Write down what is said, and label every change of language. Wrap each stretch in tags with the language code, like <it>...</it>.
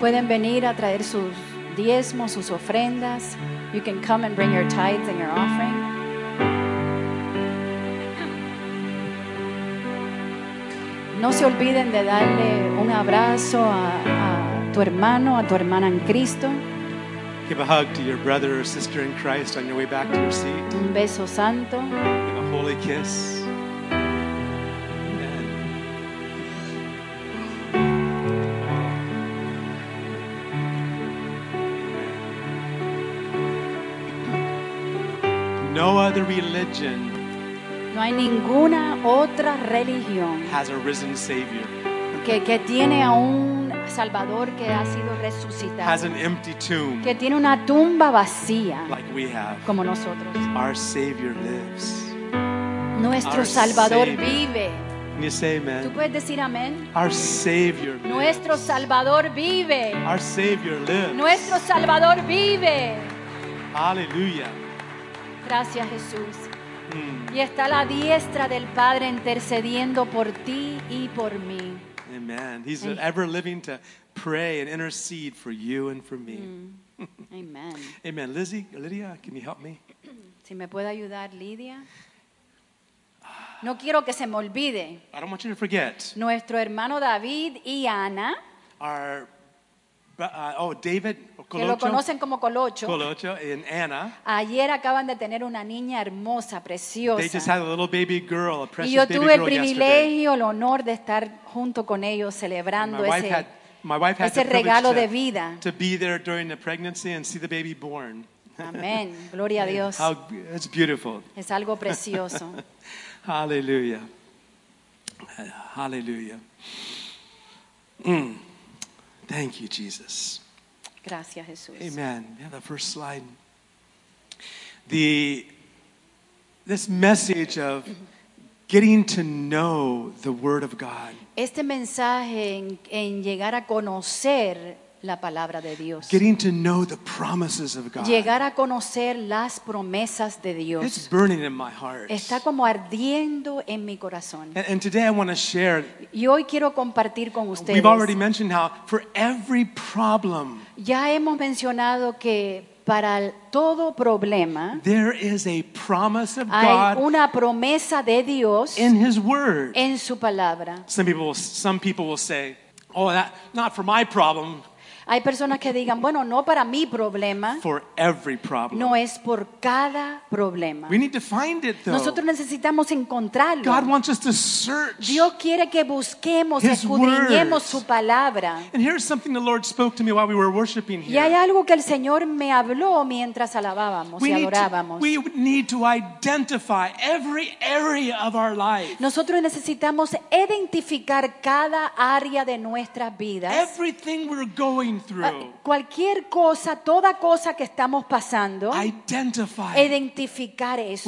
<es>Pueden venir a traer sus diezmos, sus ofrendas.</es> <en>You can come and bring your tithes and your offering.</en> <es>No se olviden de darle un abrazo a tu hermano, a tu hermana en Cristo.</es> <en>Give a hug to your brother or sister in Christ on your way back to your seat.</en> <es>Un beso santo.</es> <en>Give a holy kiss. Amen. No other religion.</en> <es>No hay ninguna otra religión.</es> <en>Has a risen Savior.</en> <es>Que tiene a un Salvador que ha sido resucitado,</es> <en>has an empty tomb,</en> <es>que tiene una tumba vacía,</es> <en>like we have,</en> <es>como nosotros.</es> <en>Our Savior lives.</en> <es>Nuestro</es> <en>Our</en> <es>Salvador</es> <en>Savior.</en> <es>Vive.</es> <en>Can you say amen?</en> <es>¿Tú puedes decir amén?</es> <en>Our Savior lives.</en> <es>Nuestro Salvador vive.</es> <en>Our Savior lives.</en> <es>Nuestro Salvador vive. Aleluya. Gracias, Jesús. Y está a la diestra del Padre intercediendo por ti y por mí.</es> <en>Amen. He's ever living to pray and intercede for you and for me. Amen. Amen. Lizzie, Lydia, can you help me?</en> <es>Si me puede ayudar, Lydia. No quiero que se me olvide.</es> <en>I don't want you to forget.</en> <es>Nuestro hermano David y Ana.</es> <en>Our David Colocho,</en> <es>que lo conocen como Colocho.</es> <en>Colocho and Anna.</en> <es>Ayer acaban de tener una niña hermosa, preciosa.</es> <en>They just had a little baby girl, a precious</en> <es>y yo</es> <en>baby</en> <es>tuve el privilegio,</es> <en>yesterday.</en> <es>El honor de estar junto con ellos celebrando</es> <en>my wife</en> <es>ese regalo de vida.</es> <en>To be there during the pregnancy and see the baby born.</en> <es>Amén. Gloria a Dios.</es> <en>It's beautiful.</en> <es>Es algo precioso.</es> <en>Hallelujah. Hallelujah. Thank you, Jesus.</en> <es>Gracias, Jesús.</es> <en>Amen. Yeah, the first slide. This message of getting to know the Word of God.</en> <es>Este mensaje en llegar a conocer la palabra de Dios.</es> <en>Getting to know the promises of God.</en> <es>Llegar a conocer las promesas de Dios.</es> <en>It's burning in my heart.</en> <es>Está como ardiendo en mi corazón.</es> <en>And today I want to share.</en> <es>Y hoy quiero compartir con ustedes.</es> <en>We've already mentioned how for every problem.</en> <es>Ya hemos mencionado que para todo problema,</es> <en>there is a promise of</en> <es>hay</es> <en>God</en> <es>una promesa de Dios</es> <en>in His Word.</en> <es>En su palabra.</es> <en>Some people will say, oh, that not for my problem.</en> <es>Hay personas que digan, bueno, no para mi problema.</es> <en>For every problem.</en> <es>No es por cada problema.</es> <en>We need to find it, though.</en> <es>Nosotros necesitamos encontrarlo.</es> <en>God wants us to search.</en> <es>Dios quiere que busquemos, escudriñemos su palabra.</es> <en>And here's something the Lord spoke to me while we were worshiping here.</en> <es>Y hay algo que el Señor me habló mientras alabábamos y adorábamos.</es> <en>We need to identify every area of our life.</en> <es>Nosotros necesitamos identificar cada área de nuestras vidas.</es> <en>Everything we're going</en> <es>cualquier cosa, toda cosa que estamos pasando, identificar eso</es>